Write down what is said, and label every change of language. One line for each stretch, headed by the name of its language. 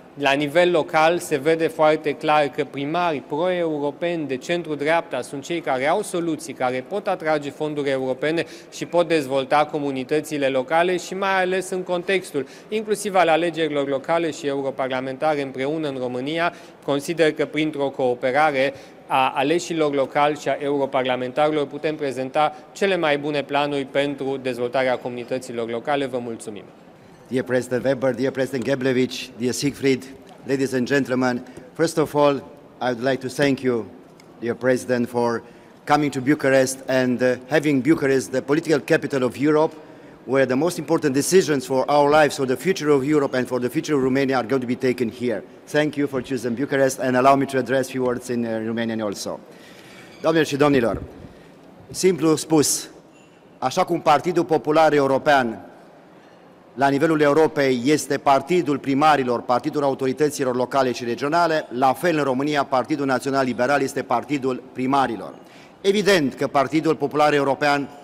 Romanian: La nivel local se vede foarte clar că primarii pro-europeni de centru-dreapta sunt cei care au soluții, care pot atrage fonduri europene și pot dezvolta comunitățile locale și mai ales în contextul, inclusiv al alegerilor locale și europarlamentare împreună în România, consider că printr-o cooperare a aleșilor locali și a europarlamentarilor putem prezenta cele mai bune planuri pentru dezvoltarea comunităților locale. Vă mulțumim!
English: Dear President Weber, dear President Gheblevici, dear Siegfried, ladies and gentlemen, first of all, I would like to thank you, dear President, for coming to Bucharest and having Bucharest, the political capital of Europe, where the most important decisions for our lives, for the future of Europe and for the future of Romania are going to be taken here. Thank you for choosing Bucharest and allow me to address a few words in Romanian also.
Romanian: Domnilor și domnilor, simplu spus, așa cum Partidul Popular European la nivelul Europei este partidul primarilor, partidul autorităților locale și regionale, la fel în România, Partidul Național Liberal este partidul primarilor. Evident că Partidul Popular European